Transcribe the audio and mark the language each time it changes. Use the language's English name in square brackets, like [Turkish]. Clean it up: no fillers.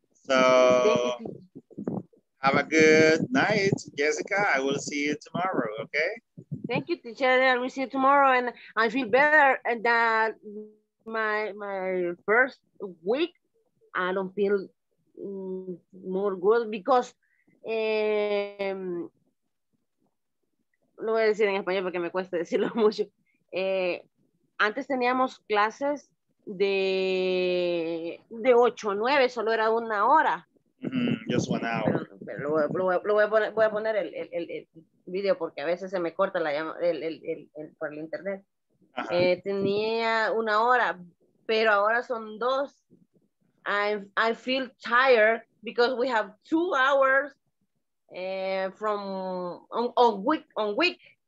[English] So have a good night, Jessica. I will see you tomorrow, okay? Thank you, teacher. I will see you tomorrow. And I feel better that my first week, I don't feel more good because... [Spanish] lo voy a decir en español porque me cuesta decirlo mucho. antes teníamos clases de 8 o 9, solo era una hora. [English] Just one hour. [Spanish] Pero voy a poner el video porque a veces se me corta la llama el por el internet. Uh-huh. Tenía una hora, pero ahora son dos. [English] I feel tired because we have 2 hours from on week.